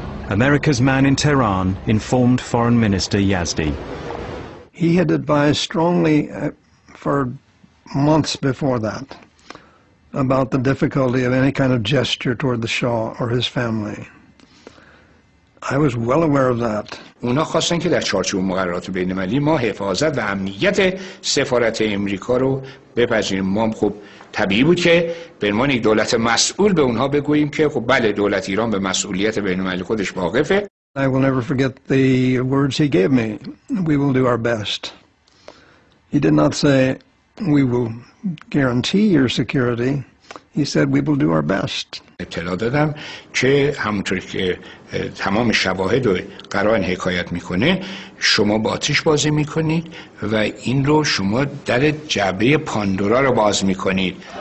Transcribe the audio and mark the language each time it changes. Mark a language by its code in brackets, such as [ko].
[en] America's man in Tehran informed Foreign Minister Yazdi. He had advised strongly for months before that about the difficulty of any kind of gesture toward the Shah or his family. I was well aware of that. [fa] اونا خواستن که در چارچوب مقررات بین المللی ما حفاظت و امنیت سفارت امریکا رو بپذیریم. ما خب طبیعی بود که به عنوان یک دولت مسئول به اونها بگوییم که خب بله دولت ایران به مسئولیت بین المللی خودش واقفه. [en] I will never forget the words he gave me. We will do our best. He did not say we will guarantee your security, he said, we will do our best. [fa] اطلاع دادم که همونطور که تمام شواهد و قرائن حکایت میکنه شما با آتش بازی میکنید و این رو شما در جعبه پاندورا رو باز میکنید.